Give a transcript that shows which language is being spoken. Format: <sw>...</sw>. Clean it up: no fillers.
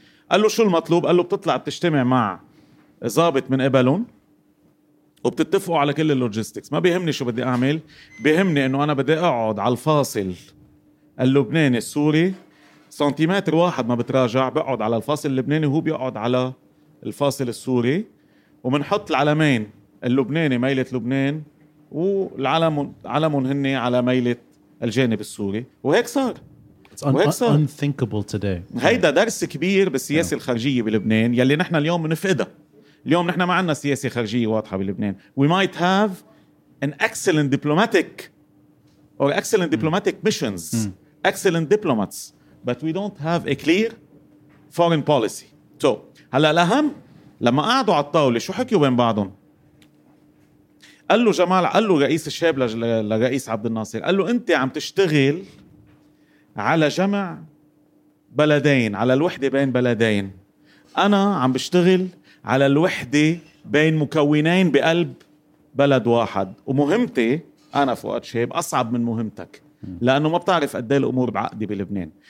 <ar>قال له شو المطلوب؟ قال له بتطلع بتجتمع مع ضابط من قبلهم وبتتفقوا على كل اللوجيستكس. ما بيهمني شو بدي اعمل، بيهمني انه انا بدي اقعد على الفاصل اللبناني السوري سنتيمتر واحد ما بتراجع، بقعد على الفاصل اللبناني وهو بيقعد على الفاصل السوري، ومنحط العلمين اللبناني ميلة لبنان والعلم علمون هني على ميلة الجانب السوري. وهيك صار.</ar> <en>unthinkable today.</en> <ar>هيدا درس كبير بالسياسة الخارجية بلبنان يلي نحن اليوم منفقده. اليوم نحن ما عنا سياسة خارجية واضحة بلبنان.</ar> <en>We might have an excellent diplomatic or excellent diplomatic missions, excellent diplomats, but we don't have a clear foreign policy.</en> <ar>So هلا الأهم لما قعدوا على الطاولة شو حكيوا بين بعضهم؟ قال له جمال، قال له رئيس الشاب لرئيس عبد الناصر، قال له أنت عم تشتغل على جمع بلدين، على الوحدة بين بلدين، أنا عم بشتغل على الوحدة بين مكونين بقلب بلد واحد، ومهمتي أنا فؤاد شهاب أصعب من مهمتك، لأنه ما بتعرف قد ايه الأمور بعقدي بلبنان.</ar>